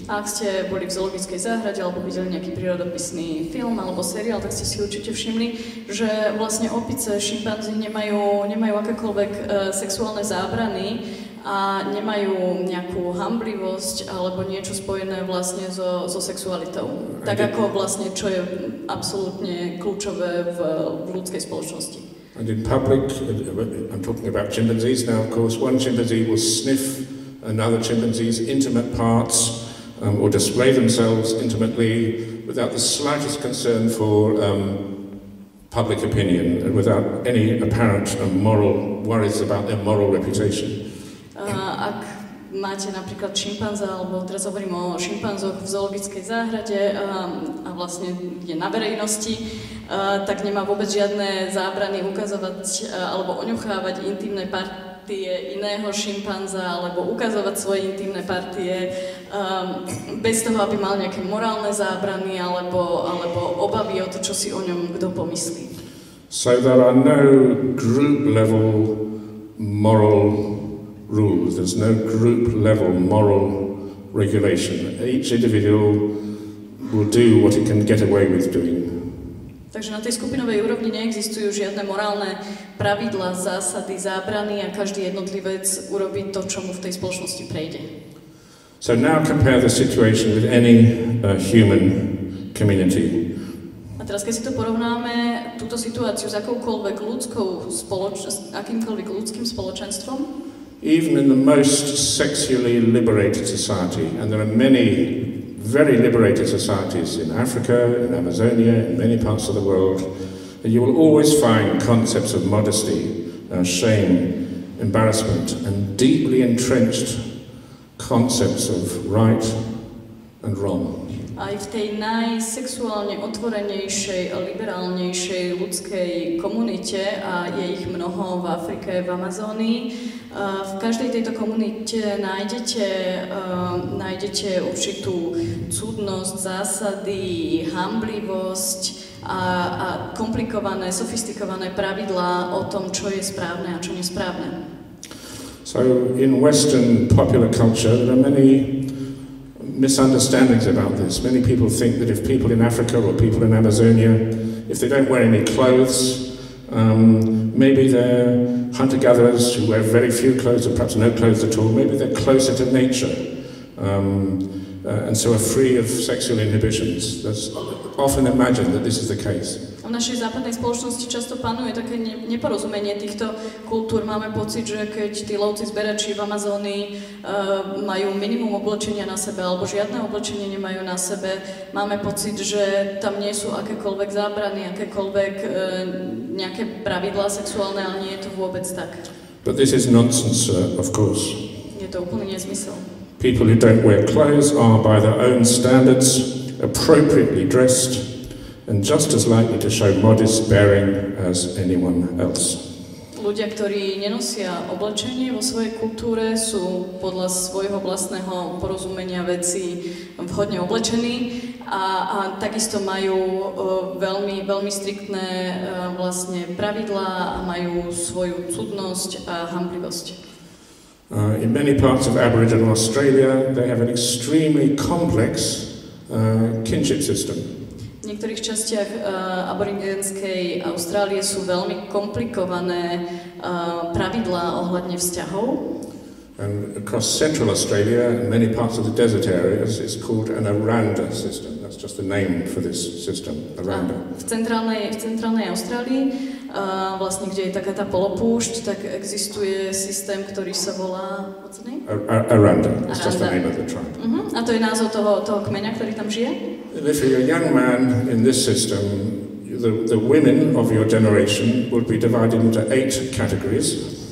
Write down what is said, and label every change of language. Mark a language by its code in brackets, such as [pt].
[sk] Ak ste boli v zoologickej záhrade alebo videli nejaký prírodopisný film alebo seriál, tak ste si určite všimli, že vlastne opice, šimpanzi nemajú akékoľvek sexuálne zábrany a nemajú nejakú hanblivosť alebo niečo spojené vlastne so sexualitou. Tak ako vlastne, čo je absolútne kľúčové v ľudskej spoločnosti. [en] And in public, I'm talking about chimpanzees now, of course, one chimpanzee will sniff another chimpanzee's intimate parts or display themselves intimately without the slightest concern for public opinion and without any apparent moral worries about their moral reputation. [sk] Ak máte napríklad šimpanza, alebo teraz hovorím o šimpanzoch v zoologickej záhrade a vlastne je na verejnosti, tak nemá vôbec žiadne zábrany ukazovať alebo oňuchávať intimné parts iného šimpanza alebo ukazovať svoje intimné partie bez toho, aby mal nejaké morálne zábrany alebo obavy o to, čo si o ňom kto pomyslí. [en] So there are no group level moral rules. There's no group level moral regulation. Each individual will do what it can get away with doing. [sk] Takže na tej skupinovej úrovni neexistujú žiadne morálne pravidlá, zásady, zábrany a každý jednotlivec urobí to, čo mu v tej spoločnosti prejde. [en] So now compare the situation with any human community. [sk] A teraz keď si to porovnáme túto situáciu s akoukoľvek ľudskou akýmkoľvek ľudským spoločenstvom. [en] Even in the most sexually liberated society, and there are many very liberated societies in Africa, in Amazonia, in many parts of the world, and you will always find concepts of modesty, shame, embarrassment, and deeply entrenched concepts of right and wrong. [sk] Aj v tej najsexuálne otvorenejšej a liberálnejšej ľudskej komunite, a je ich mnoho v Afrike, v Amazónii, v každej tejto komunite nájdete určitú cudnosť, zásady, hamblivosť a komplikované, sofistikované pravidlá o tom, čo je správne a čo nesprávne. [en] So in Western popular culture there are many misunderstandings about this. Many people think that if people in Africa or people in Amazonia, if they don't wear any clothes, maybe they're hunter-gatherers who wear very few clothes or perhaps no clothes at all, maybe they're closer to nature and so are free of sexual inhibitions. That's often imagined that this is the case. [sk] V našej západnej spoločnosti často panuje také neporozumenie týchto kultúr. Máme pocit, že keď tí lovci zberači v Amazónii majú minimum oblečenia na sebe alebo žiadne oblečenie nemajú na sebe, máme pocit, že tam nie sú akékoľvek zábrany, akékoľvek nejaké pravidlá sexuálne, ale nie je to vôbec tak. [en] But this is nonsense, of course. [sk] Je to úplný nezmysel. [en] People who don't wear clothes are by their own standards appropriately dressed and just as likely to show modest bearing as anyone else. [sk] Ľudia, ktorí nenosia oblečenie vo svojej kultúre, sú podľa svojho vlastného porozumenia veci vhodne oblečení a takisto majú veľmi, veľmi striktné vlastne pravidlá a majú svoju cudnosť a hamblivosť. [en] In many parts of Aboriginal Australia, they have an extremely complex kinship system. [sk] V niektorých častiach aboriginskej Austrálie sú veľmi komplikované pravidlá ohľadne vzťahov. [en] And across central Australia and many parts of the desert areas it's called an aranda system. That's just the name for this system, aranda. [sk] V centrálnej Austrálii, vlastne kde je taká tá polopúšť, tak existuje systém, ktorý sa volá aranda. [en] It's just the name of the tribe. Uh-huh. [sk] A to je názov toho kmeňa, ktorý tam žije. [en] And if you're a young man in this system, the women of your generation would be divided into 8 categories.